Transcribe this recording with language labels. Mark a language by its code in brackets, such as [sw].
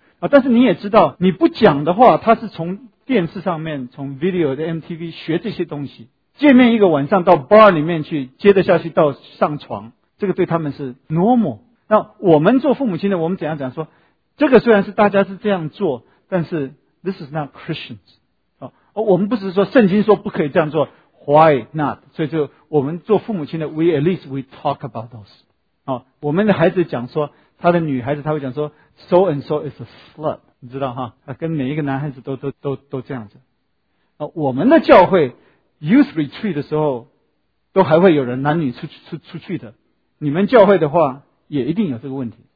[zh] 但是你也知道你不讲的话，他是从电视上面从 video 的 MTV 学这些东西，见面一个晚上到 bar 里面去，接着下去到上床，这个对他们是 normal。那我们做父母亲的，我们怎样说，这个虽然是大家是这样做，但是 [en] this is not Christians。 [zh] 我们不是说圣经说不可以这样做， [en] why not？ [zh] 所以就我们做父母亲的， [en] we at least we talk about those。 [zh] 我们的孩子讲说，他的女孩子他会讲说 [en] so and so is a slut， [zh] 你知道哈，他跟每一个男孩子都这样子。我们的教会 youth retreat 的时候都还会有人男女出去的，你们教会的话也一定有这个问题。